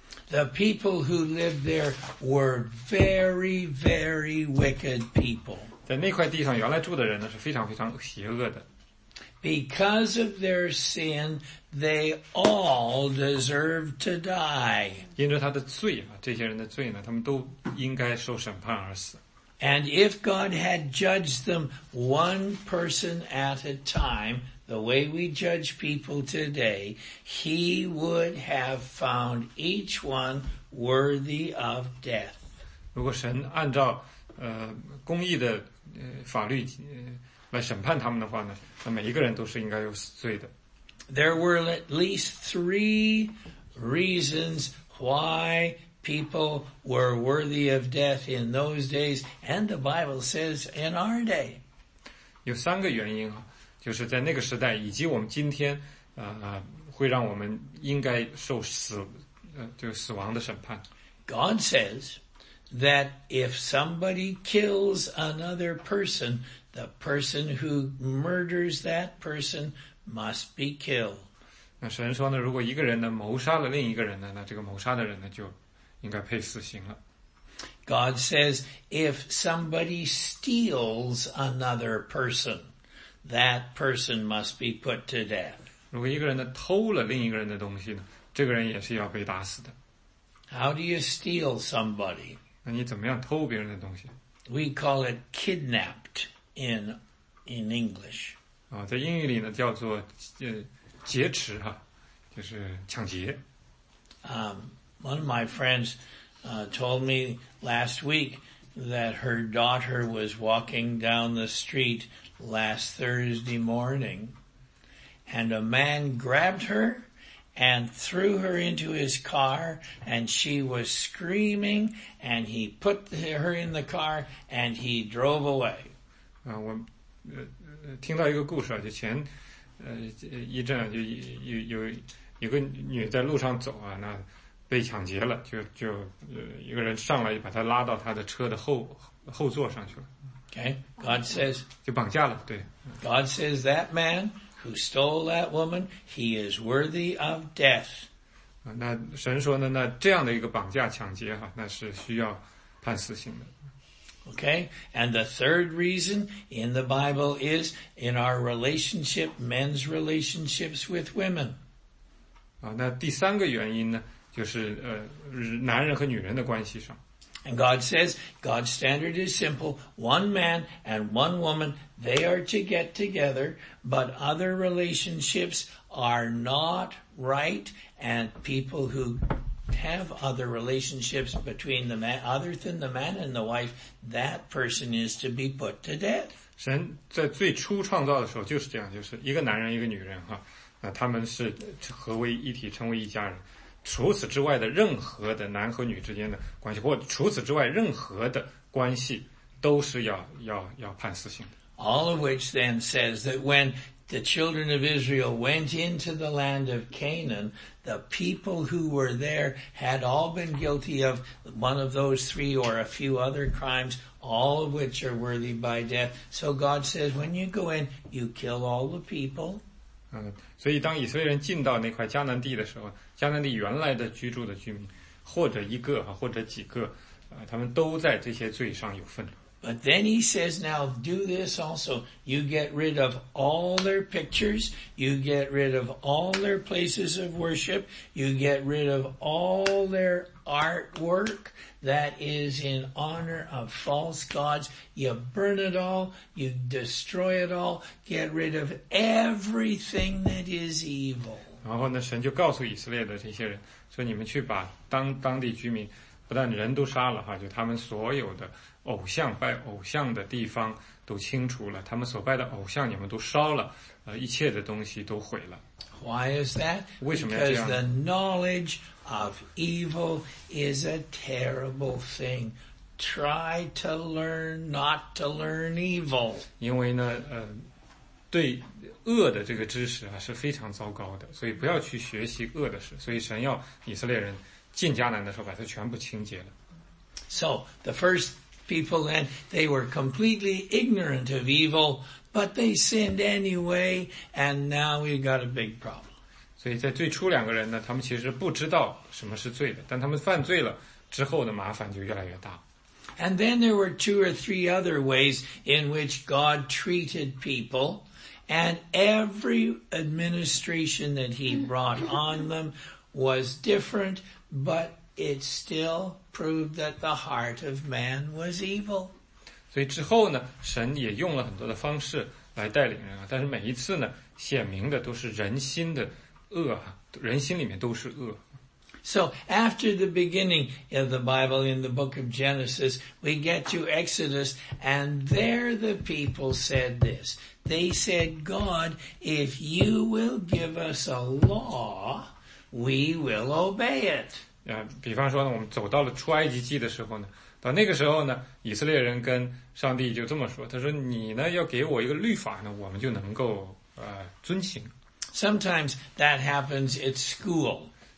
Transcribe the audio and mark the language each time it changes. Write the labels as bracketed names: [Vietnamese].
[English] The people who lived there were very, very wicked people. [Chinese] 在那块地上原来住的人呢是非常非常邪恶的。 [English] Because of their sin, they all deserve to die. [Chinese] 因着他的罪啊，这些人的罪呢，他们都应该受审判而死。 [English] And if God had judged them one person at a time,The way we judge people today, he would have found each one worthy of death. [Chinese] 如果神按照公义的法律来审判他们的话呢，那每一个人都是应该有罪的。 [English] There were at least 3 reasons why people were worthy of death in those days, and the Bible says in our day. [Chinese] 有3个原因啊。就是在那个时代以及我们今天会让我们应该受死就死亡的审判。 [English] God says that if somebody kills another person, the person who murders that person must be killed. [Chinese] 那神说呢如果一个人呢谋杀了另一个人呢那这个谋杀的人呢就应该配死刑了。 [English] God says if somebody steals another person,That person must be put to death. [Chinese] 如果一个人呢偷了另一个人的东西呢，这个人也是要被打死的。 [English] How do you steal somebody? [Chinese] 那你怎么样偷别人的东西 [English] ？We call it kidnapped in English. [Chinese] 啊，在英语里呢叫做劫持哈，就是抢劫。 [English] One of my friends told me last week that her daughter was walking down the street. Last Thursday morning, and a man grabbed her and threw her into his car, and she was screaming, and he put her in the car, and he drove away. [Chinese] 我听到一个故事啊，就前一阵就有个女在路上走啊，那被抢劫了，就一个人上来把她拉到她的车的后座上去了。 [English] Okay, God says, [Chinese] 就绑架了，对。 [English] God says that man who stole that woman, he is worthy of death. [Chinese] 那神说呢，那这样的一个绑架抢劫哈，那是需要判死刑的。 [English] Okay, and the third reason in the Bible is in our relationship, men's relationships with women. [Chinese] 啊，那第三个原因呢，就是男人和女人的关系上。 [English] And God says, God's standard is simple. One man and one woman, they are to get together, but other relationships are not right, and people who have other relationships between the man, other than the man and the wife, that person is to be put to death. [Chinese] 神在最初创造的时候就是这样，就是一个男人一个女人哈，那他们是合为一体，成为一家人。除此之外的任何的男和女之间的关系，或者除此之外任何的关系，都是要判死刑的。 [English] All of which then says that when the children of Israel went into the land of Canaan, the people who were there had all been guilty of one of those three or a few other crimes, all of which are worthy by death. So God says, when you go in, you kill all the people. [Chinese] 所以当以色列人进到那块迦南地的时候，迦南地原来的居住的居民，或者一个或者几个，他们都在这些罪上有份。 [English] But then he says, now do this also. You get rid of all their pictures. You get rid of all their places of worship. You get rid of all their artwork that is in honor of false gods. You burn it all. You destroy it all. Get rid of everything that is evil. [Chinese] 然后呢，神就告诉以色列的这些人，说你们去把当地居民，不但人都杀了哈，就他们所有的偶像，拜偶像的地方都清除了，他们所拜的偶像你们都烧了，一切的东西都毁了。 [English] Why is that? [Chinese] 为什么要这样？ [English] Because the knowledge of evil is a terrible thing. Try to learn not to learn evil. [Chinese] 因为呢，对恶的这个知识啊是非常糟糕的，所以不要去学习恶的事。所以神要以色列人进迦南的时候把它全部清洁了。 [English] So the first people then, they were completely ignorant of evil, but they sinned anyway, and now we've got a big problem. [Chinese] 所以在最初两个人呢，他们其实不知道什么是罪的，但他们犯罪了之后的麻烦就越来越大。 [English] And then there were two or three other ways in which God treated people, and every administration that he brought on them was different, but it still proved that the heart of man was evil. [Chinese] 所以之后呢，神也用了很多的方式来带领人啊，但是每一次呢，显明的都是人心的恶啊，人心里面都是恶。 [English] So after the beginning of the Bible in the book of Genesis, we get to Exodus, and there the people said this. They said, God, if you will give us a law, we will obey it. [Chinese] 比方说呢，我们走到了出埃及记的时候呢，到那个时候呢，以色列人跟上帝就这么说，他说你呢要给我一个律法呢，我们就能够遵行。 [English] Sometimes that happens at school.